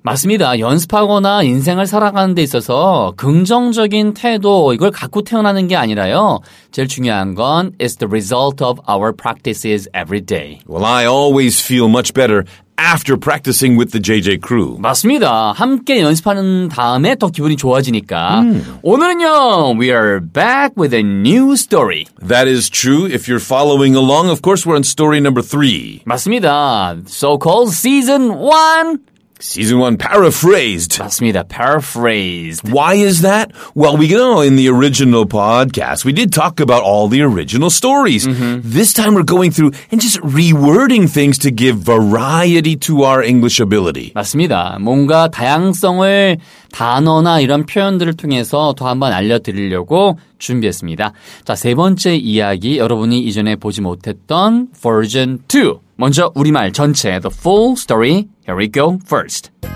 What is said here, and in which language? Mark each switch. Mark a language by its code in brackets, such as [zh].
[ko] 맞습니다 연습하거나 인생을 살아가는 데 있어서 긍정적인 태도 이걸 갖고 태어나는 게 아니라요 제일 중요한 건 [en] It's the result of our practices every day Well I always feel much better After practicing with the JJ crew. [ko] 맞습니다. 함께 연습하는 다음에 더 기분이 좋아지니까. 오늘은요, [en] we are back with a new story. That is true. If you're following along, of course, we're on story number 3. [ko] 맞습니다. [en] So-called season 1. Season 1 paraphrased. [ko] 맞습니다. [en] Paraphrased. Why is that? Well, we know in the original podcast, we did talk about all the original stories. Mm-hmm. This time we're going through and just rewording things to give variety to our English ability. [ko] 맞습니다. 뭔가 다양성을 단어나 이런 표현들을 통해서 더 한번 알려드리려고 준비했습니다. 자, 세 번째 이야기, 여러분이 이전에 보지 못했던 version 2. 먼저 우리말 전체, [en] the full story, here we go first.